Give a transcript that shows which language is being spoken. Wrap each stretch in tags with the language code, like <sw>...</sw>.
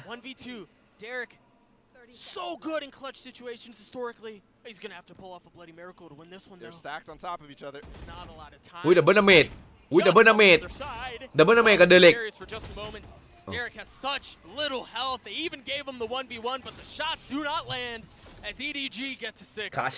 <en>1v2 Derek so good in clutch situations historically he's going to have to pull off a bloody miracle to win this one though they're stacked on top of each other</en> <th>อุ้ยดับเบิ้ลดาเมจอุ้ยดับเบิ้ลดาเมจดับเบิ้ลดาเมจกับเดลิก</th> <en>Derek has such little health. They even gave him the 1v1, but the shots do not land as EDG get to 6.</en>